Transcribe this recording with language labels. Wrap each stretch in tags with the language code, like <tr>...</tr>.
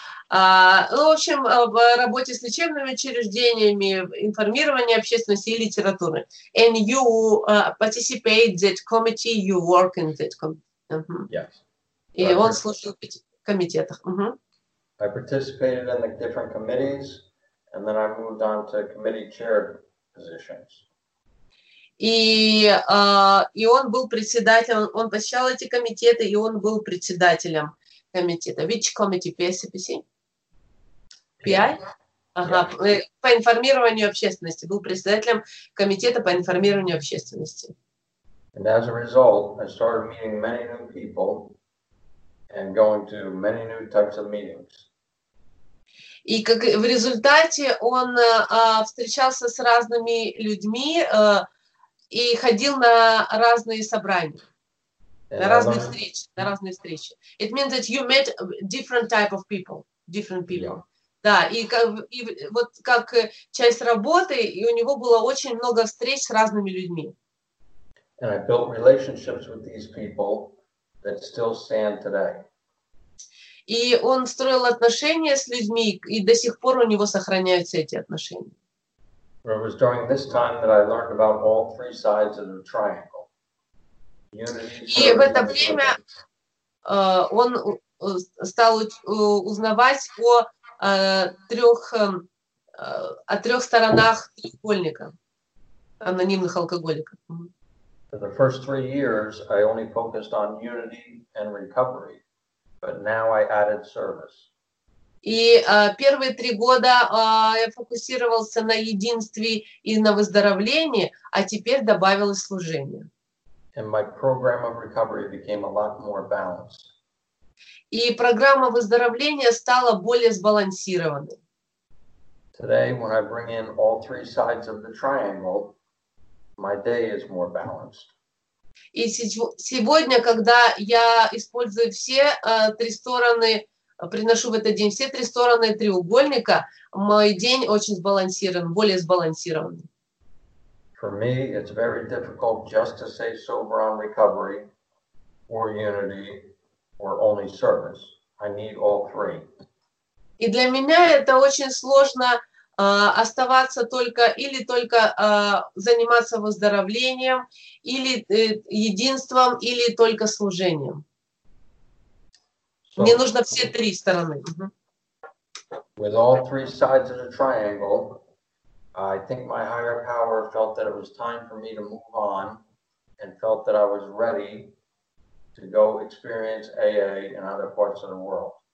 <ru>Ну, в общем, в работе с лечебными учреждениями, информирование общественности и литературы.</ru> <en>And you participate that committee, you work in that committee. Mm-hmm. Yes.</en> <ru>Или он служил в комитетах.</ru> <en>I participated in the different committees, and then I moved on to committee chair positions.</en> <ru>И он был председателем, он посещал эти комитеты, и он был председателем комитета.</ru> <en>Which committee? PSPC? PI? Yeah.</en> <ru>Ага, по информированию общественности. Был председателем комитета по информированию общественности.</ru> <en>And as a result, I started meeting many new people and going to many new types of meetings.</en> <ru>И как в результате он встречался с разными людьми и ходил на разные собрания, на разные встречи, на разные встречи.</ru> <en>It means that you met different type of people, different people. Yeah.</en> <ru>Да, и вот как часть работы, и у него было очень много встреч с разными людьми.</ru> <en>And I built relationships with these people that still stand today.</en> <ru>И он строил отношения с людьми, и до сих пор у него сохраняются эти отношения.</ru> <en>It was during this time that I learned about all three sides of the triangle.</en> <ru>И в это время он стал узнавать о трех сторонах треугольника анонимных алкоголиков.</ru> <en>For the first 3 years, I only focused on unity and recovery, but now I added service.</en> <ru>И первые три года я фокусировался на единстве и на выздоровлении, а теперь добавилось служение.</ru> <en>And my program of recovery became a lot more balanced.</en> <ru>И программа выздоровления стала более сбалансированной.</ru> <en>Today, when I bring in all three sides of the triangle, my day is more balanced.</en> <ru>И сегодня, когда я использую все три стороны, приношу в этот день все три стороны треугольника, мой день очень сбалансирован, более сбалансирован.</ru> <en>For me, it's very difficult just to stay sober on recovery, or unity, or only service. I need all three.</en> <ru>И для меня это очень сложно. Оставаться только или только заниматься выздоровлением, или единством, или только служением. So, мне нужно все три стороны.</ru> <en>With all three sides of the triangle, I think my higher power felt that it was time for me to move on and felt that I was ready to go experience AA in other parts of the world.</en>